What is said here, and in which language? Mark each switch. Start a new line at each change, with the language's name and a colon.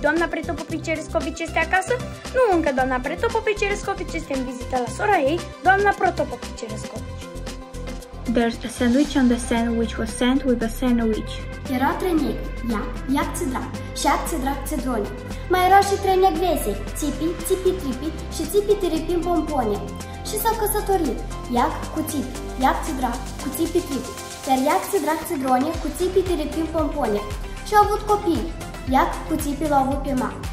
Romanian: Doamna Pretopopicerescovici este acasă? Nu încă, doamna Pretopopicerescovici este în vizită la sora ei, doamna Protopopicerescovici.
English: There's a sandwich on the sandwich was sent with a sandwich.
Romanian: Era trei negri, ia, iac țădrac, șeac țădrac țădroni. Mai erau și trei negrese, țipi, țipi tripi și țipi tiripi pompone. Și s-au căsătorit, iac cu țipi, iac țădrac cu țipi tripi. Iar iac țădrac țădroni cu țipi tiripi pompone. Și au avut copii, iac cu țipi l-au avut pe mac.